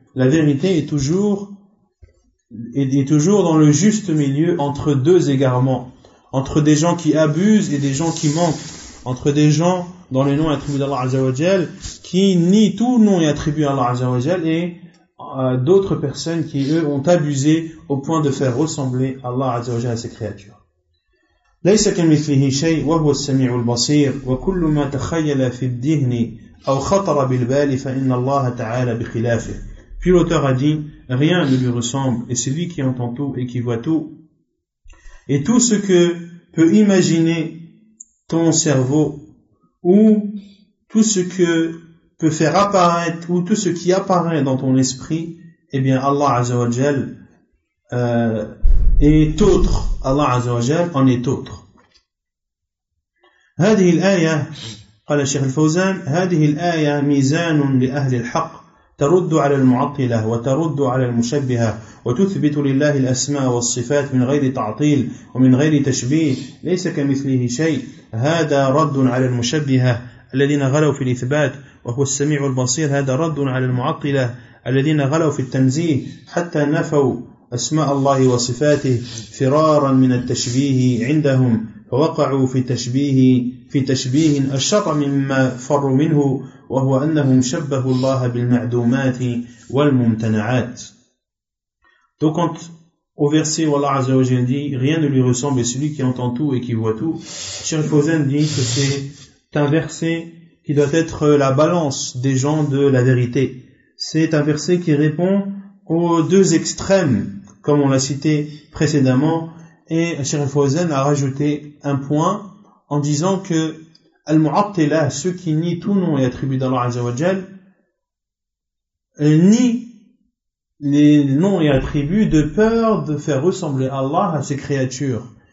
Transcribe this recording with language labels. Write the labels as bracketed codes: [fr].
[fr] La vérité est toujours dans le juste milieu entre deux égarements, entre des gens qui abusent et des gens qui manquent, entre des gens dans les noms et attributs d'Allah Azzawajal, qui nie tout nom et attribut d'Allah Azzawajal, et d'autres personnes qui, eux, ont abusé au point de faire ressembler Allah Azzawajal à ses créatures. [ar] ليس كمثله شيء وهو السميع البصير وكل ما تخيل في الذهن أو خطر بالبال فإن الله تعالى بخلافه. [fr] Puis l'auteur a dit, rien ne lui ressemble et c'est lui qui entend tout et qui voit tout. Et tout ce que peut imaginer ton cerveau ou tout ce que peut faire apparaître ou tout ce qui apparaît dans ton esprit, eh bien Allah Azza wa Jal est autre. [ar] الله عز وجل أن يتوتر. هذه الآية قال الشيخ الفوزان هذه الآية ميزان لأهل الحق ترد على المعطلة وترد على المشبهة وتثبت لله الأسماء والصفات من غير تعطيل ومن غير تشبيه ليس كمثله شيء هذا رد على المشبهة الذين غلوا في الإثبات وهو السميع البصير هذا رد على المعطلة الذين غلوا في التنزيه حتى نفوا أسماء الله وصفاته فرارا من التشبيه عندهم فوقعوا في تشبيه أشط مما فروا منه وهو أنهم شبهوا الله بالمعدومات والممتنعات. [fr] Donc quand au verset où Allah Azza wa Jalla dit rien ne lui ressemble et celui qui entend tout et qui voit tout, Cheikh Fawzan dit que c'est un verset qui doit être la balance des gens de la vérité. C'est un verset qui répond aux deux extrêmes, comme on l'a cité précédemment, et Cheikh Fawzan a rajouté un point en disant que Al-Mu'attila, ceux qui nient tout nom et attribut d'Allah Azza wa Jal, nient les noms et attributs de peur de faire ressembler Allah à ses créatures.